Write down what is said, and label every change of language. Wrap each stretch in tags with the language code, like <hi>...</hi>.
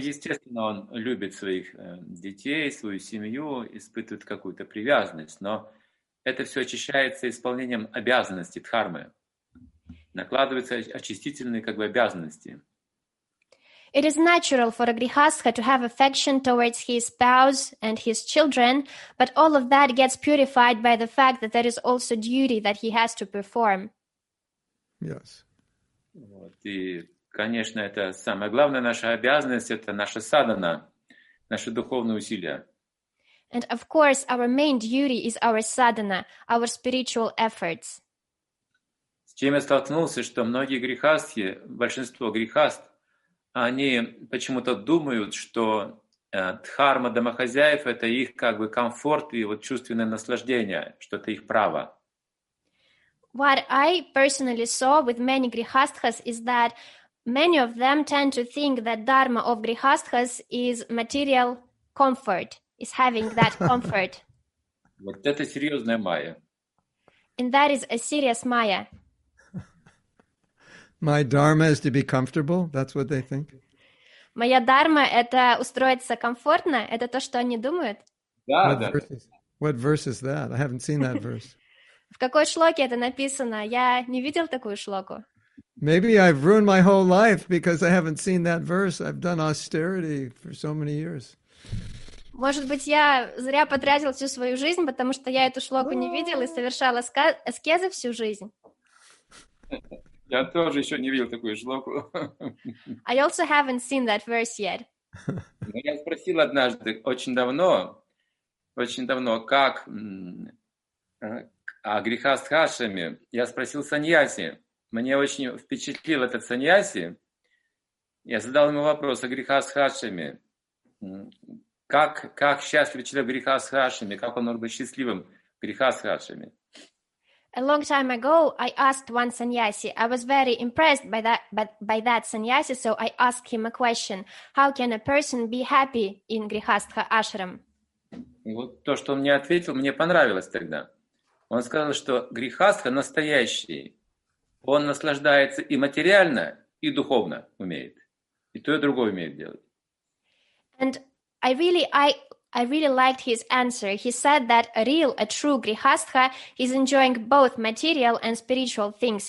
<ru>Естественно, он любит своих детей, свою семью, испытывает какую-то привязанность, но это все очищается исполнением обязанностей дхармы. Накладываются очистительные как бы обязанности.</ru> <en>It is natural for a grihastha to have affection towards his spouse and his children, but all of that gets purified by the fact that there is also duty that he has to perform. Yes.</en> <ru>Вот. И, конечно, это самое главное, наша обязанность — это наша садхана, наши духовные усилия.</ru> <en>And of course, our main duty is our sadhana, our spiritual efforts.</en> <ru>С чем я столкнулся, что многие грихастхи, большинство грихаст, они почему-то думают, что дхарма домохозяев — это их как бы комфорт и вот чувственное наслаждение, что это их право.</ru> <en>What I personally saw with many grihasthas is that many of them tend to think that dharma of grihasthas is material comfort, is having that comfort.</en> <ru>Вот это серьезная майя.</ru> <en>And that is a serious maya. My dharma is to be comfortable, that's what they think.</en> <ru>Моя дарма — это устроиться комфортно, это то, что они думают? Да,</ru> <en>What verse is that? I haven't seen that verse.</en> <ru>В какой шлоке это написано? Я не видел такую шлоку.</ru> <en>Maybe I've ruined my whole life because I haven't seen that verse. I've done austerity for so many years.</en> <ru>Может быть, я зря потратил всю свою жизнь, потому что я эту шлоку не видел и совершал аскезы всю жизнь. Я тоже еще не видел такую шлоку.</ru> <en>I also haven't seen that verse yet.</en> <ru>Я спросил однажды очень давно, как... А греха с хашами, я спросил саньяси. Мне очень впечатлил этот саньяси. Я задал ему вопрос о греха с хашами. Как счастлив человек греха с хашами? Как он может быть счастливым греха с хашами?</ru> <en>A long time ago, I asked one sannyasi. I was very impressed by that sannyasi, so I asked him a question. How can a person be happy in grihastha ashram?</en> <ru>И вот то, что он мне ответил, мне понравилось тогда. Он сказал, что грихастха настоящий, он наслаждается и материально, и духовно умеет. И то, и другое умеет делать.</ru> <en>And I really, I I really liked his answer. He said that a true grihastha, is enjoying both material and spiritual things.</en>